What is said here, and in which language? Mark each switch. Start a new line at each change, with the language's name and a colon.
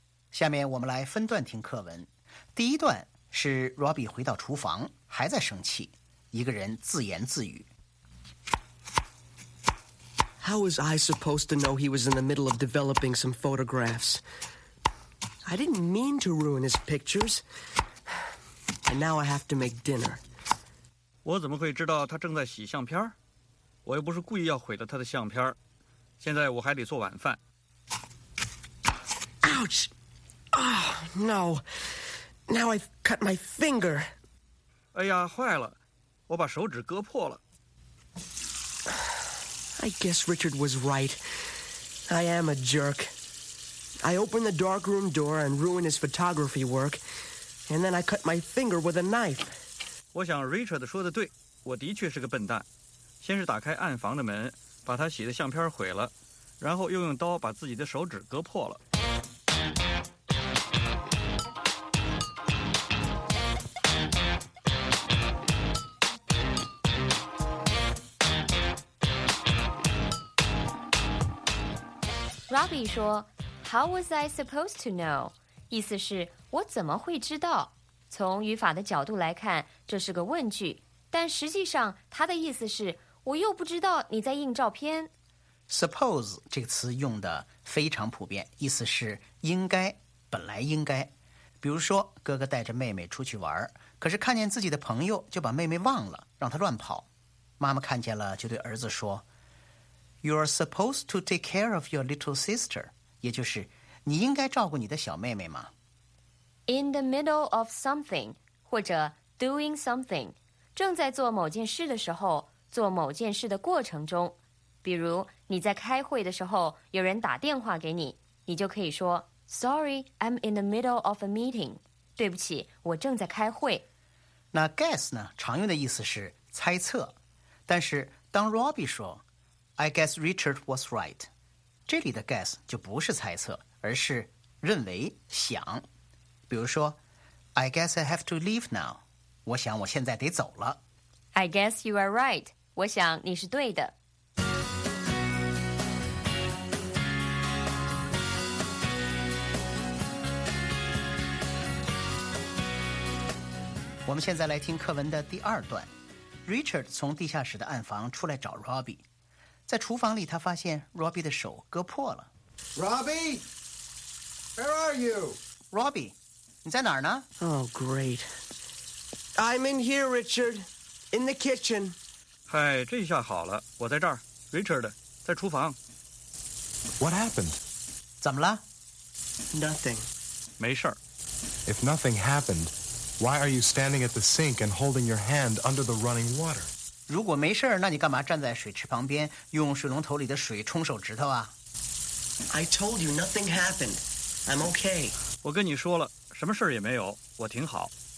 Chinese: 下面我们来分段听课文。第一段是 Robbie 回到厨房，还在生气，一个人自言自语。
English: How was I supposed to know he was in the middle of developing some photographs? I didn't mean to ruin his pictures. And now I have to make dinner.
Chinese: 我怎么会知道他正在洗相片？我又不是故意要毁了他的相片。现在我还得做晚饭。
English: Ouch! Oh, no. Now I've cut my finger.
Chinese: 哎呀，坏了，我把手指割破了。
English: I guess Richard was right. I am a jerk. I open the darkroom door and ruin his photography work, and then I cut my finger with a knife.
Chinese: 我想 Richard 说的对，我的确是个笨蛋。先是打开暗房的门，把他洗的相片毁了，然后又用刀把自己的手指割破了。
English: Robbie
Chinese: 说
English: How was I supposed to know?
Chinese: 意思是我怎么会知道从语法的角度来看这是个问句但实际上他的意思是我又不知道你在印照片 Suppose 这个词用的非常普遍意思是应该本来应该比如说哥哥带着妹妹出去玩可是看见自己的朋友就把妹妹忘了让她乱跑妈妈看见了就对儿子说
English: You are supposed to take care of your little sister.
Chinese: 也就是你应该照顾你的小妹妹吗
English: In the middle of something,
Chinese: 或者
English: doing something,
Chinese: 正在做某件事的时候做某件事的过程中。比如你在开会的时候有人打电话给你你就可以说
English: Sorry, I'm in the middle of a meeting.
Chinese: 对不起我正在开会。那 guess 呢常用的意思是猜测。但是当
English: Robbie
Chinese: 说
English: I guess Richard was right.
Chinese: 这里的 guess 就不是猜测，而是认为、想。比如说
English: ，I guess I have to leave now.
Chinese: 我想我现在得走了。
English: I guess you are right.
Chinese: 我想你是对的。我们现在来听课文的第二段。Richard 从地下室的暗房出来找 Robbie。在厨房里他发现 Robbie 的手割破了
English: Robbie Where are you?
Chinese: Robbie 你在哪儿呢
English: Oh great I'm in here Richard In the kitchen
Chinese: 嗨这下好了我在这儿 Richard 在厨房
English: What happened?
Chinese: 怎么了
English: Nothing
Chinese: 没事
English: If nothing happened Why are you standing at the sink And holding your hand under the running water?
Chinese: 如果没事儿，那你干嘛站在水池旁边用水龙头里的水冲手指头啊
English: ？I told you nothing happened. I'm okay.
Chinese: 我跟你说了，什么事儿也没有，我挺好。